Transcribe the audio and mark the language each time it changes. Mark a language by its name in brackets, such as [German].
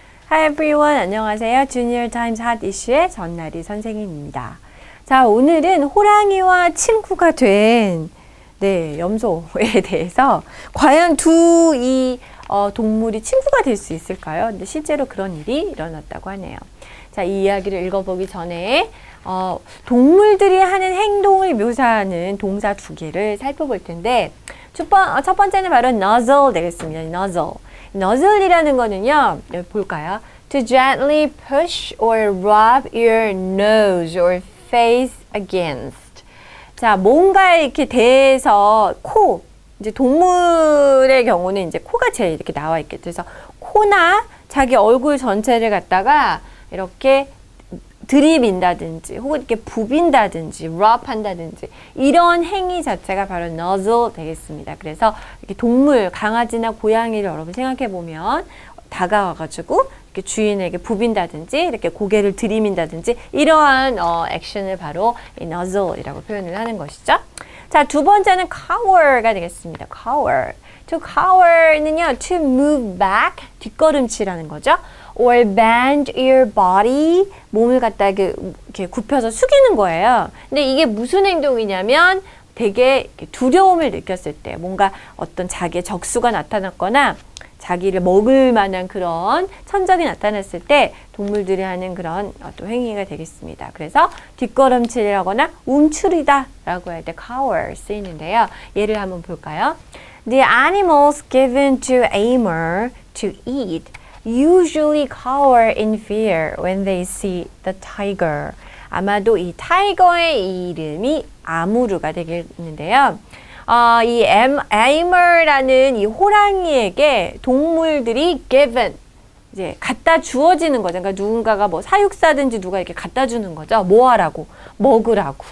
[English] Hi everyone, [Korean] 안녕하세요. Junior Times Hot Issue의 전나리 선생님입니다. 자, 오늘은 호랑이와 친구가 된, 네, 염소에 대해서 과연 두이 동물이 친구가 될수 있을까요? 근데 실제로 그런 일이 일어났다고 하네요. 자, 이 이야기를 읽어보기 전에 동물들이 하는 행동을 묘사하는 동사 두 개를 살펴볼 텐데 첫 번째는 바로 nuzzle 되겠습니다. [English] Nuzzle. [Korean] Nuzzle이라는 거는요, 여기 볼까요? [English] To gently push or rub your nose or face against. [Korean] 자, 뭔가 이렇게 대서 코. 이제 동물의 경우는 이제 코가 제일 이렇게 나와 있겠죠. 그래서 코나 자기 얼굴 전체를 갖다가 이렇게 들이민다든지 혹은 이렇게 부빈다든지 rub한다든지 이런 행위 자체가 바로 nuzzle 되겠습니다. 그래서 이렇게 동물, 강아지나 고양이를 여러분 생각해 보면 다가와가지고 이렇게 주인에게 부빈다든지 이렇게 고개를 들이민다든지 이러한 액션을 바로 이 nuzzle이라고 표현을 하는 것이죠. 자, 두 번째는 cower가 되겠습니다. [English] cower. [Korean] To cower는요, [English] to move back, [Korean] 뒷걸음치라는 거죠. [English] Or bend your body, [Korean] 몸을 갖다 이렇게 굽혀서 숙이는 거예요. 근데 이게 무슨 행동이냐면 되게 두려움을 느꼈을 때 뭔가 어떤 자기의 적수가 나타났거나 자기를 먹을 만한 그런 천적이 나타났을 때 동물들이 하는 그런 또 행위가 되겠습니다. 그래서 뒷걸음질이라거나 움츠리다라고 할때 cower 쓰이는데요. 예를 한번 볼까요? [English] The animals given to Amur to eat usually cower in fear when they see the tiger. [Korean] 아마도 이 타이거의 이름이 아무르가 되겠는데요. 이 에이머라는 이 호랑이에게 동물들이 given, 이제 갖다 주어지는 거죠. 그러니까 누군가가 뭐 사육사든지 누가 이렇게 갖다 주는 거죠. 뭐 하라고? 먹으라고.